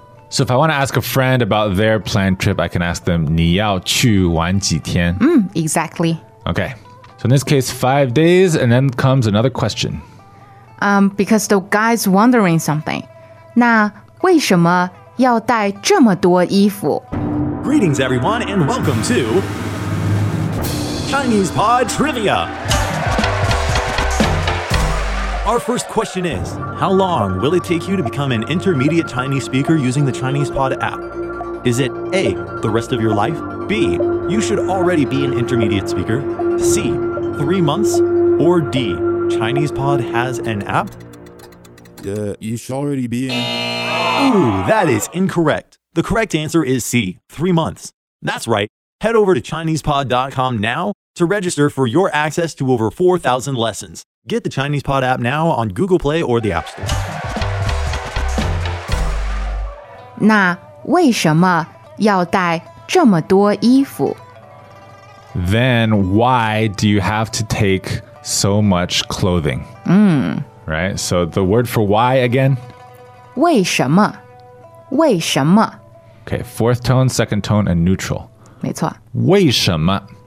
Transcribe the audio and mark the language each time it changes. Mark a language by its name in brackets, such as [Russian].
[English] So if I want to ask a friend about their planned trip, I can ask them [Chinese] 你要去玩几天? [English] Exactly. Okay. So in this case, 5 days, and then comes another question. Because the guy's wondering something. [Chinese] 那为什么要带这么多衣服? [English] Greetings, everyone, and welcome to Chinese Pod Trivia. Our first question is, how long will it take you to become an intermediate Chinese speaker using the Chinese Pod app? Is it A, the rest of your life? B, you should already be an intermediate speaker? C, 3 months? Or D, Chinese Pod has an app? You should already be in. Ooh, that is incorrect. The correct answer is C, 3 months. That's right. Head over to ChinesePod.com now to register for your access to over 4,000 lessons. Get the Chinese Pod app now on Google Play or the App Store. [Chinese] 那为什么要带这么多衣服? [English] Then why do you have to take so much clothing? Right? So the word for why again? [Chinese] 为什么? [English] Okay, fourth tone, second tone, and neutral. [Chinese] 没错. 为什么?